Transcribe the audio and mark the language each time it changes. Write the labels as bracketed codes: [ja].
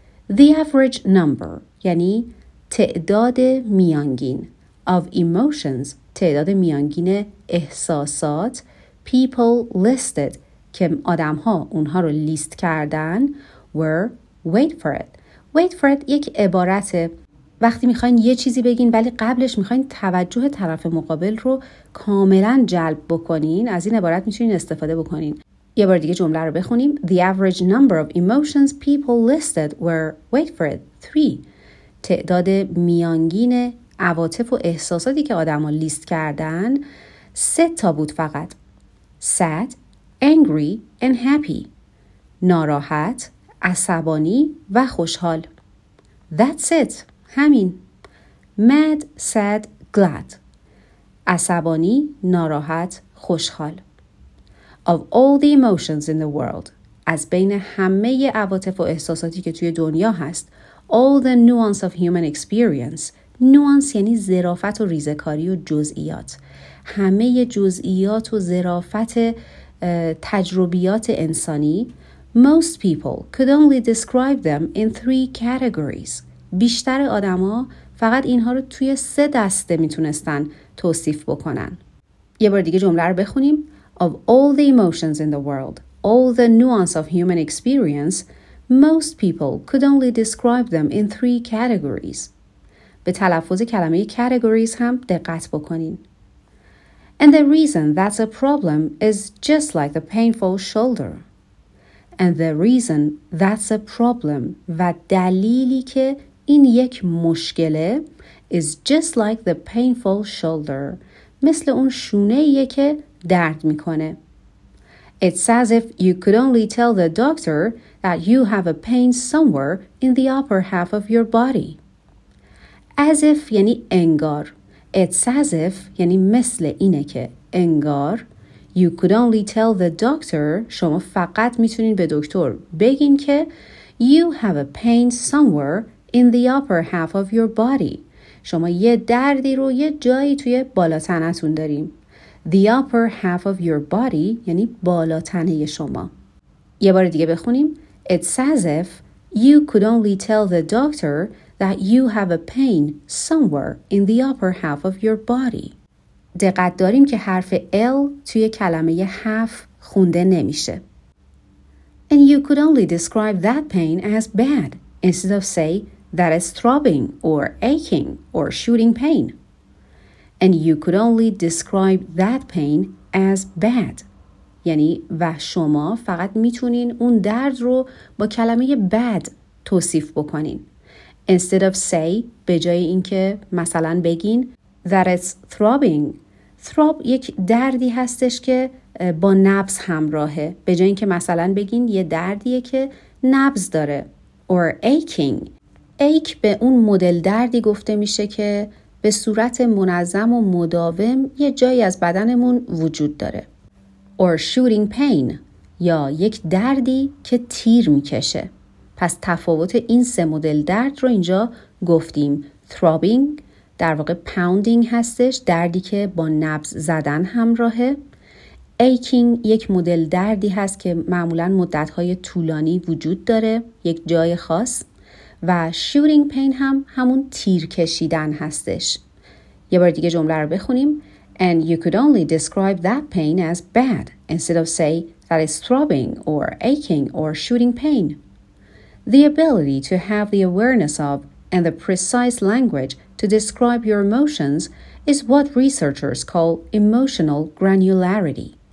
[en] The average number [fa] یعنی تعداد میانگین [en] of emotions [fa] تعداد میانگین احساسات [en] people listed [fa] که آدم ها اونها رو لیست کردن [en] were, wait for it. Wait for it [fa] یک عبارته. وقتی میخواین یه چیزی بگین ولی قبلش میخواین توجه طرف مقابل رو کاملا جلب بکنین، از این عبارت میتونین استفاده بکنین. یه بار دیگه جمله رو بخونیم. [en] The average number of emotions people listed were, wait for it, 3. [fa] تعداد میانگین عواطف و احساساتی که آدم ها لیست کردن 3 تا بود فقط. [en] Sad, angry and happy. [fa] ناراحت، عصبانی و خوشحال. [en] That's it. [fa] همین. [en] Mad, sad, glad. [fa] عصبانی، ناراحت، خوشحال. [en] Of all the emotions in the world. [fa] از بین همه عواطف و احساساتی که توی دنیا هست. [en] All the nuance of human experience. [fa] Nuance یعنی ظرافت و ریزه‌کاری و جزئیات. همه جزئیات و ظرافت تجربیات انسانی. [en] Most people could only describe them in 3 categories. [fa] بیشتر آدما فقط اینها رو توی 3 دسته میتونستن توصیف بکنن. یه بار دیگه جمله رو بخونیم. [en] Of all the emotions in the world, all the nuance of human experience, most people could only describe them in 3 categories. [fa] به تلفظ کلمه categories هم دقت بکنین. [en] And the reason that's a problem is just like the painful shoulder. And the reason that's a problem [fa] و دلیلی که این یک مشکله [en] is just like the painful shoulder [fa] مثل اون شونه‌ایه که درد میکنه. [en] It's as if you could only tell the doctor that you have a pain somewhere in the upper half of your body. [fa] As if یعنی انگار. [en] It's as if [fa] یعنی مثل اینه که انگار. [en] You could only tell the doctor, [fa] شما فقط میتونین به دکتر بگین که [en] you have a pain somewhere in the upper half of your body. [fa] شما یه دردی رو یه جایی توی بالا تنتون داریم. [en] The upper half of your body [fa] یعنی بالا تنه شما. یه بار دیگه بخونیم. [en] It's as if you could only tell the doctor that you have a pain somewhere in the upper half of your body. [fa] دقت داریم که حرف L توی کلمه half خونده نمیشه. [en] And you could only describe that pain as bad instead of say that is throbbing or aching or shooting pain. And you could only describe that pain as bad. [fa] یعنی و شما فقط میتونین اون درد رو با کلمه bad توصیف بکنین. [en] Instead of say [fa] به جای اینکه مثلا بگین [en] that it's throbbing. [fa] Throb یک دردی هستش که با نبض همراهه. به جای اینکه مثلا بگین یه دردیه که نبض داره. [en] Or aching. [fa] Ache به اون مدل دردی گفته میشه که به صورت منظم و مداوم یه جایی از بدنمون وجود داره. [en] Or shooting pain. [fa] یا یک دردی که تیر میکشه. پس تفاوت این سه مدل درد رو اینجا گفتیم. [en] Throbbing. [fa] در واقع pounding هستش، دردی که با نبض زدن همراهه. Aching یک مدل دردی هست که معمولاً مدت‌های طولانی وجود داره، یک جای خاص. و shooting pain هم همون تیر کشیدن هستش. یه بار دیگه جمله رو بخونیم. [en] And you could only describe that pain as bad instead of say that is throbbing or aching or shooting pain. The ability to have the awareness of and the precise language to describe your emotions is what researchers call emotional granularity.